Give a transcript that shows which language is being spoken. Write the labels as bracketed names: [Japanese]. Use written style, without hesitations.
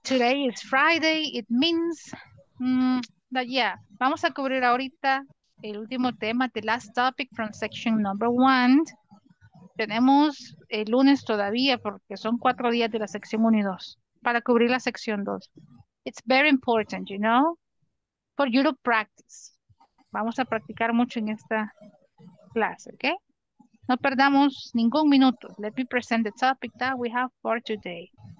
[English] Today is Friday. It means that, yeah. [Spanish] Vamos a cubrir ahorita el último tema, [English] the last topic from section number one. [Spanish] Tenemos el lunes todavía porque son 4 días de la sección 1 y 2 para cubrir la sección 2. [English] It's very important, you know, for you to practice. [Spanish] Vamos a practicar mucho en esta clase, ¿ok? No perdamos ningún minuto. [English] Let me present the topic that we have for today.